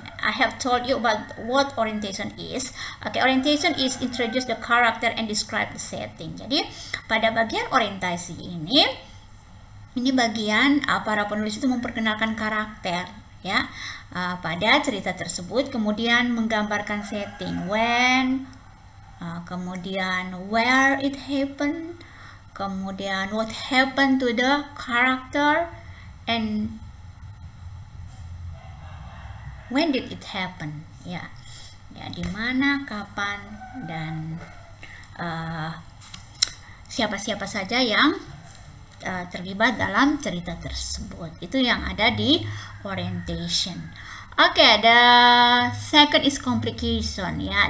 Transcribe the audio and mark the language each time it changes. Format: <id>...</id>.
<en>I have told you about what orientation is. Okay, orientation is introduce the character and describe the setting.</en> <id>Jadi, pada bagian orientasi ini bagian para penulis itu memperkenalkan karakter ya pada cerita tersebut, kemudian menggambarkan setting,</id> <en>when,</en> <id>kemudian</id> <en>where it happened.</en> <id>Kemudian,</id> <en>what happened to the character and when did it happen?</en> <id>Ya, ya di mana, kapan, dan siapa-siapa saja yang terlibat dalam cerita tersebut. Itu yang ada di orientation. Oke,</id> <en>the second is complication</en> <id>ya.</id>